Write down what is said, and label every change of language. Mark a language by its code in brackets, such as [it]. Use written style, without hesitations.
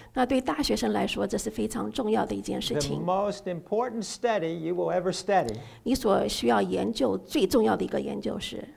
[zh] 那对大学生来说，这是非常重要的一件事情。 [en] The most important study you will ever study. [zh] 你所需要研究最重要的一个研究是